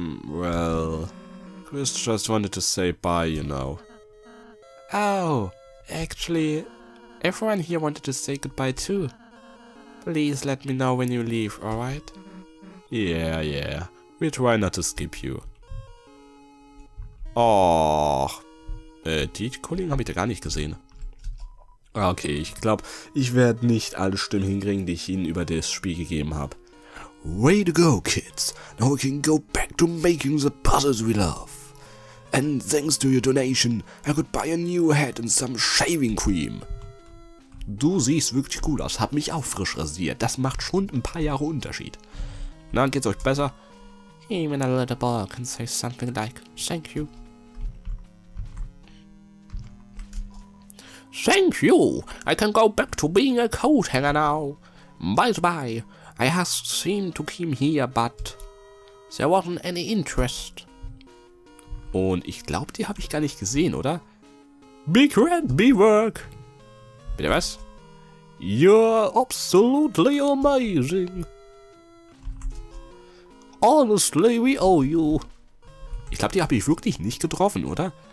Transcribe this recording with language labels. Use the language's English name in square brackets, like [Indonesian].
[English] Well, Chris just wanted to say bye, you know. Oh, actually, everyone here wanted to say goodbye too. Please let me know when you leave, alright? Yeah, we try not to skip you. [German] Oh, die Kollegen habe ich da gar nicht gesehen. Okay, ich glaube, ich werde nicht alle Stimmen hinkriegen, die ich ihnen über das Spiel gegeben habe. [English] Way to go, kids. Now we can go back to making the puzzles we love. And thanks to your donation, I could buy a new hat and some shaving cream. [German] Du siehst wirklich cool aus, hab mich auch frisch rasiert. Das macht schon ein paar Jahre Unterschied. Na, geht's euch besser? [English] Even a little boy can say something like, thank you. Thank you. I can go back to being a coat hanger now. Bye-bye. I asked him to come here, but there wasn't any interest. [German] Und ich glaube, die habe ich gar nicht gesehen, oder? [English] Big Red B-Work! [German] Bitte was? [English] You're absolutely amazing! Honestly, we owe you! [German] Ich glaube, die habe ich wirklich nicht getroffen, oder?